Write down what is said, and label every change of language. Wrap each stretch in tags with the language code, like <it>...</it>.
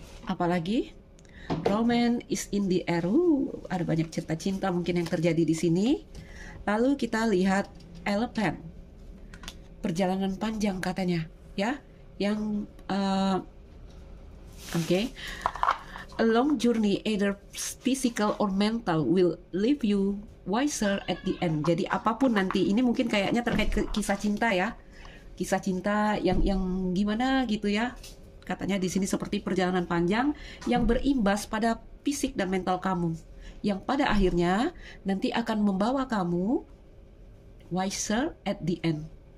<id>Apalagi</id> <en>romance is in the air.</en> <id>Ada banyak cerita cinta mungkin yang terjadi di sini. Lalu kita lihat elephant. Perjalanan panjang katanya, ya. Yang okay.</id> <en>A long journey, either physical or mental, will leave you wiser at the end.</en> <id>Jadi apapun nanti, ini mungkin kayaknya terkait ke kisah cinta ya. Kisah cinta yang gimana gitu ya. Katanya di sini seperti perjalanan panjang yang berimbas pada fisik dan mental kamu. Yang pada akhirnya nanti akan membawa kamu</id> <en>wiser at the end.</en>